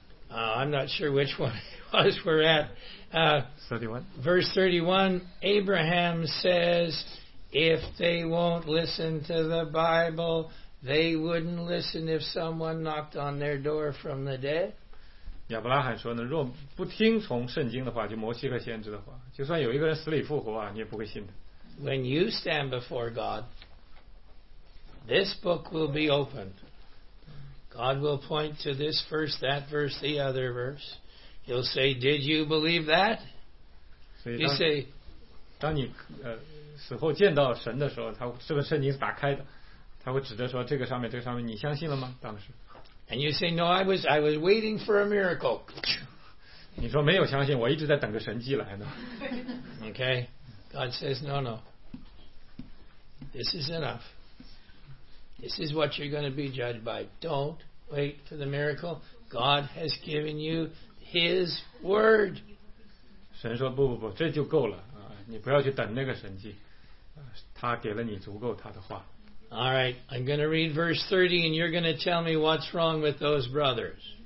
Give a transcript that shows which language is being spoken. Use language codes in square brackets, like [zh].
[en] I'm not sure which one it was we're at. 31. Verse 31, Abraham says, if they won't listen to the Bible, they wouldn't listen if someone knocked on their door from the dead. [zh] 亚伯拉罕说呢，若不听从圣经的话，就摩西和先知的话，就算有一个人死里复活啊，你也不会信的。 [en] When you stand before God, this book will be opened. God will point to this verse, that verse, the other verse. He'll say, "Did you believe that?" You say, [zh] 当你死后见到神的时候，他这个圣经是打开的，他会指着说这个上面，这个上面，你相信了吗？当时。 [en] And you say, "No, I was waiting for a miracle." [zh] 你说没有相信，我一直在等个神迹来呢。 [en] Okay, God says, "No, no. This is enough. This is what you're going to be judged by. Don't wait for the miracle. God has given you His word." [zh] 神说不不不，这就够了啊！你不要去等那个神迹，他给了你足够他的话。 [en] All right, I'm going to read verse 30 and you're going to tell me what's wrong with those brothers.